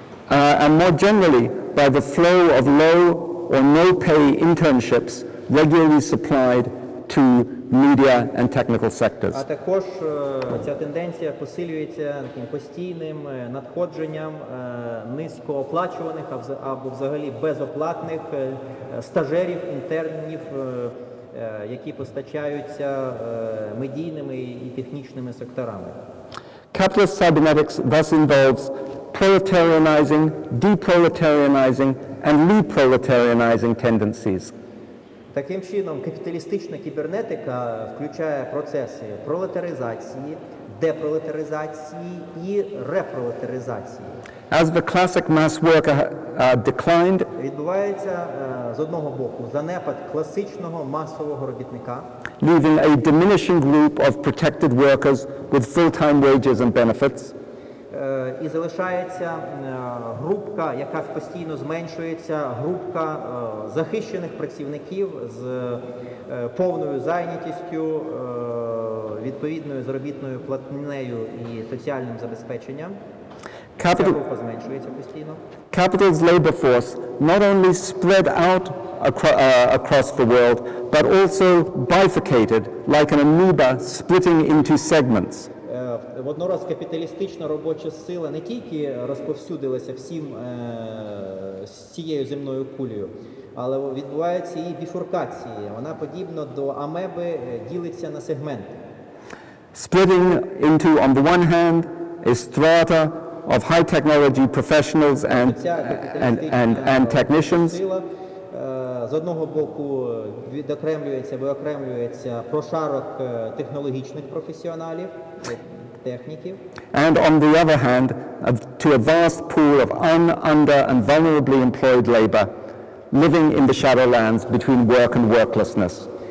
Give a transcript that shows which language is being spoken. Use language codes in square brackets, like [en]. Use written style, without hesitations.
[en] And more generally, by the flow of low or no-pay internships regularly supplied to media and technical sectors. [uk] А також ця тенденція посилюється таким постійним надходженням низькооплачуваних або взагалі безоплатних стажерів, інтернів, які постачаються медійними і технічними секторами. [en] Capitalist cybernetics thus involves proletarianizing, deproletarianizing, and reproletarianizing tendencies. [uk] Таким чином, капіталістична кібернетика включає процеси пролетаризації, депролетаризації і репролетаризації. [en] As the classic mass worker declined, [uk] відбувається з одного боку занепад класичного масового робітника, [en] leaving a diminishing group of protected workers with full-time wages and benefits. [uk] і залишається групка, яка постійно зменшується, групка захищених працівників з повною зайнятістю, відповідною заробітною платнею і соціальним забезпеченням. [en] Capital, [uk] ця група зменшується постійно. [en] Capital's labor force not only spread out across the world, but also bifurcated like an amoeba splitting into segments. [uk] Воднораз капіталістична робоча сила не тільки розповсюдилася всім з цією земною кулею, але відбувається і біфуркація. Вона подібно до амеби ділиться на сегменти. [en] Splitting into, on the one hand, a strata of high technology professionals and technicians. [uk] З одного боку виокремлюється прошарок технологічних професіоналів, техніків. [en] And on the other hand, to a vast pool of under and vulnerably employed labor living in the shadowlands between work and worklessness.